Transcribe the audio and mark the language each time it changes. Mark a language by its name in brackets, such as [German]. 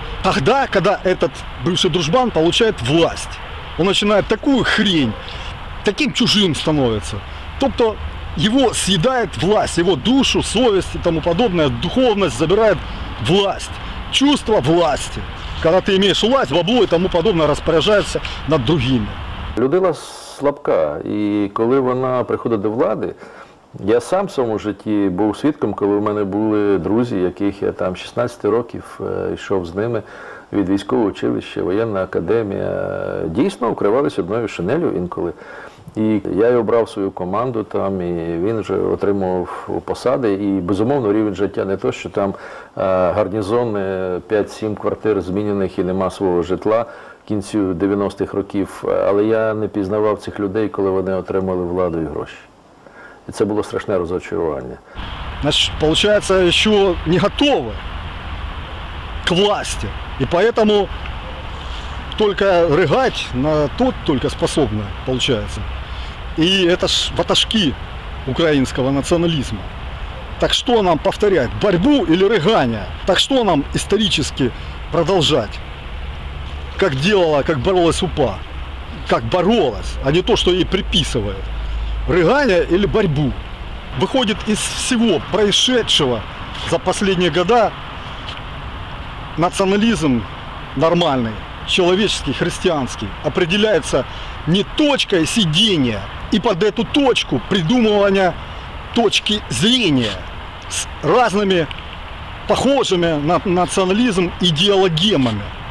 [Russian] Тогда, когда этот бывший дружбан получает власть, он начинает такую хрень, таким чужим становится. Тобто его съедает власть, его душу, совесть и тому подобное, духовность забирает власть, чувство власти. Когда ты имеешь власть, бабло и тому подобное распоряжается над другими. [Ukrainian] Людина слабка, и когда она приходит до влади, [Russian] я сам в своем [Ukrainian] житті був свідком, коли у мене були друзі, яких я там 16 років йшов з ними від військового училища, воєнна академія, дійсно укривалися одною шинелью інколи. І я його брав в свою команду там, і він вже отримував посади, і безумовно рівень життя не то, що там гарнізони, 5-7 квартир змінених і нема свого житла, кінцю 90-х років, але я не пізнавав цих людей, коли вони отримали владу і гроші. І це було страшне розочарування. Значить, виходить, що не готові к власті. І тому тільки ригати на тот тільки способне, виходить. І це ж ватажки українського націоналізму. Так що нам повторяти? Боротьбу чи ригання? Так що нам історично продовжувати? [Russian] Как делала, как боролась УПА. Как боролась, а не то, что ей приписывают. Рыгание или борьбу. Выходит, из всего происшедшего за последние года национализм нормальный, человеческий, христианский, определяется не точкой сидения и под эту точку придумывания точки зрения с разными похожими на национализм идеологемами.